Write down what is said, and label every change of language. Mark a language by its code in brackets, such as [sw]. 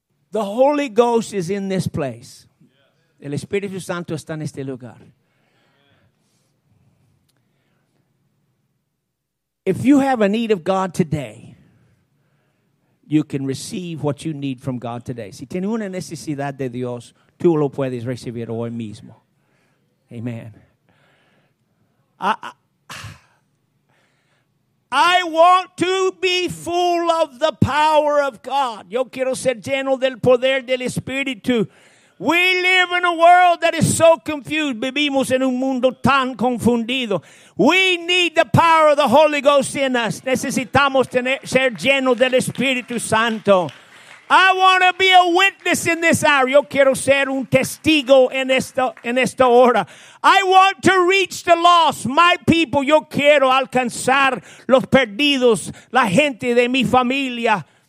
[en] The Holy Ghost is in this place. [es] El Espíritu Santo está en este lugar. [en] If you have a need of God today, you can receive what you need from God today. [es] Si tiene una necesidad de Dios, tú lo puedes recibir hoy mismo. [en] Amen. I want to be full of the power of God. [es] Yo quiero ser lleno del poder del Espíritu. [en] We live in a world that is so confused. [es] Vivimos en un mundo tan confundido. [en] We need the power of the Holy Ghost in us. [es] Necesitamos tener, ser lleno del Espíritu Santo. [en] I want to be a witness in this hour. [es] Yo quiero ser un testigo en esta hora. [en] I want to reach the lost, my people. [es] Yo quiero alcanzar los perdidos, la gente de mi familia.